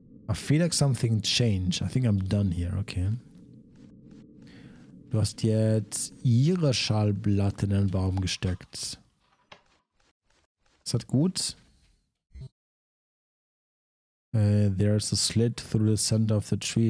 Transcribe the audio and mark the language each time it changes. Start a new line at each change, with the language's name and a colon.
English: I feel like something changed. I think I'm done here, okay.
German: Du hast jetzt ihre Schallplatte in den Baum gesteckt. Ist das gut?
English: There's a slit through the center of the tree.